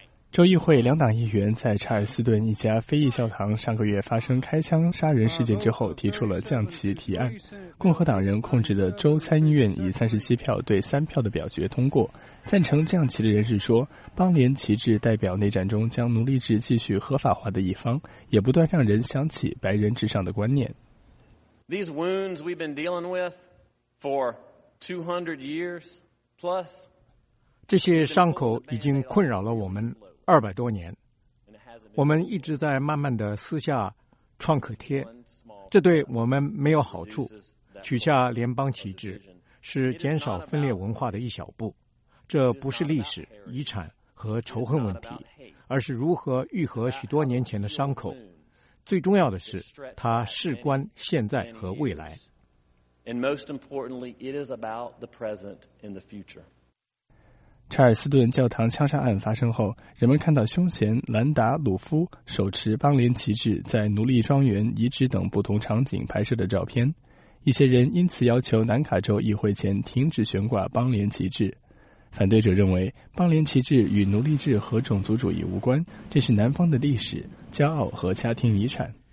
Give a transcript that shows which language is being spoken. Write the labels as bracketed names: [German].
[Chinese] 州议会两党议员在查尔斯顿一家非裔教堂上个月发生开枪杀人事件之后提出了降旗提案。共和党人控制的州参议院以37票对3票的表决通过。赞成降旗的人士说，邦联旗帜代表内战中将奴隶制继续合法化的一方，也不断让人想起白人至上的观念。 [English] These wounds we've been dealing with for 200 years plus. [Chinese] 这些伤口已经困扰了我们200多年，我们一直在慢慢的撕下创可贴，这对我们没有好处。取下联邦旗帜是减少分裂文化的一小步，这不是历史、遗产和仇恨问题，而是如何愈合许多年前的伤口。最重要的是，它事关现在和未来。 [English] And most importantly, it is about the present and the future. [Chinese] 查尔斯顿教堂枪杀案发生后，人们看到凶嫌兰达·鲁夫手持邦联旗帜在奴隶庄园遗址等不同场景拍摄的照片。一些人因此要求南卡州议会前停止悬挂邦联旗帜。反对者认为，邦联旗帜与奴隶制和种族主义无关，这是南方的历史、骄傲和家庭遗产。